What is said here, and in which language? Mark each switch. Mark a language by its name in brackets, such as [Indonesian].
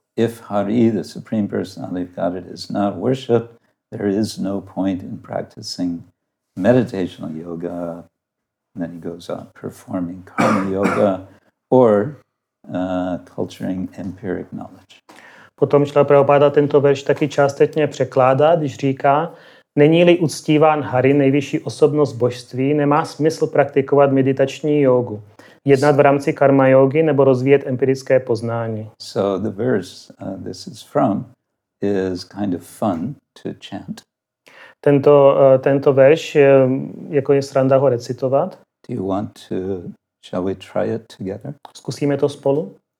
[English] If Hari, the Supreme Personality of Godhead, is not worshipped, there is no point in practicing meditational yoga. And then he goes on performing karma yoga or culturing empiric knowledge. [Czech] Potom Šrila Prabhupada tento verš taky částečně překládá, když říká, není-li uctíván Hari, nejvyšší osobnost božství, nemá smysl praktikovat meditační jógu, jednat v rámci karma jógy nebo rozvíjet empirické poznání. [English] So the verse this is from is kind of fun to chant. [Czech] Tento verš jako je sranda ho recitovat. [English] Do you want to, shall we try it together? [Czech] Zkusíme to spolu?